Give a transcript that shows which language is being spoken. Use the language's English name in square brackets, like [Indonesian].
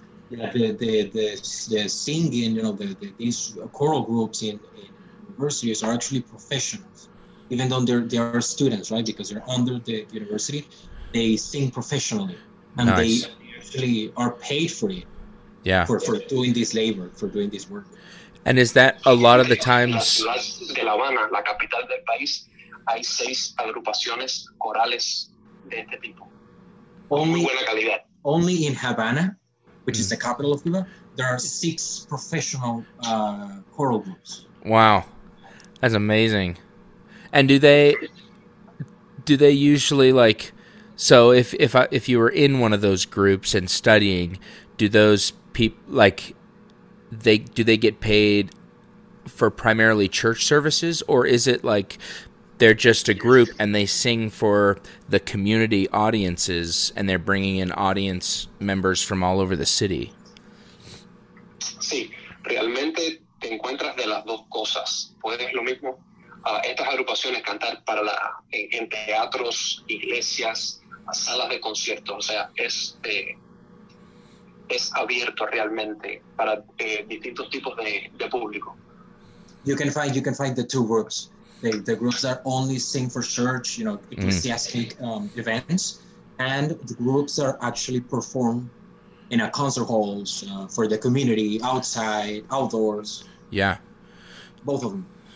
[English] Yeah, the singing, you know, these choral groups in universities are actually professionals. Even though they are students, right? Because they're under the university, they sing professionally, and nice. They actually are paid for it. Yeah, for doing this labor, for doing this work. And is that a lot of the times? [Spanish] La ciudad de La Habana, la capital del país, hay 6 agrupaciones corales de este tipo. [English] Only, [Spanish] muy buena calidad. [English] Only in Havana, which is the capital of Cuba, there are 6 professional choral groups. Wow, that's amazing. And do they usually, like, so if you were in one of those groups and studying, do those people, like, do they get paid for primarily church services, or is it like they're just a group and they sing for the community audiences and they're bringing in audience members from all over the city? [Spanish] Sí, realmente te encuentras de las dos cosas. Puedes lo mismo estas agrupaciones cantar para en teatros, iglesias, salas de conciertos. O sea, es abierto realmente para distintos tipos de público. [English] You can find the two groups. The groups that only sing for church, you know, ecclesiastic events, and the groups that actually perform in a concert halls for the community, outside, outdoors. Yeah. Both of them.